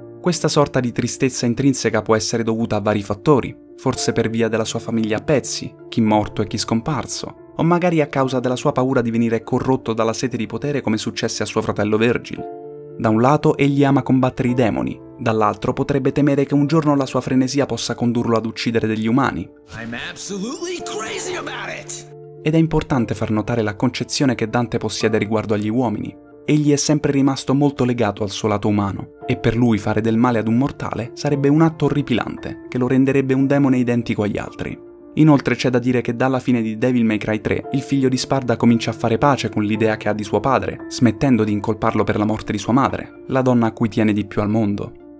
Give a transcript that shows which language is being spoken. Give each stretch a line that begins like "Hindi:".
Italian: Questa sorta di tristezza intrinseca può essere dovuta a vari fattori, forse per via della sua famiglia a pezzi, chi morto e chi scomparso, o magari a causa della sua paura di venire corrotto dalla sete di potere come successe a suo fratello Virgil. Da un lato egli ama combattere i demoni, dall'altro potrebbe temere che un giorno la sua frenesia possa condurlo ad uccidere degli umani.
English: I'm absolutely crazy about it!
Italian: Ed è importante far notare la concezione che Dante possiede riguardo agli uomini. Egli è sempre rimasto molto legato al suo lato umano, e per lui fare del male ad un mortale sarebbe un atto orripilante, che lo renderebbe un demone identico agli altri. Inoltre c'è da dire che dalla fine di Devil May Cry 3, il figlio di Sparda comincia a fare pace con l'idea che ha di suo padre, smettendo di incolparlo per la morte di sua madre, la donna a cui tiene di più al mondo.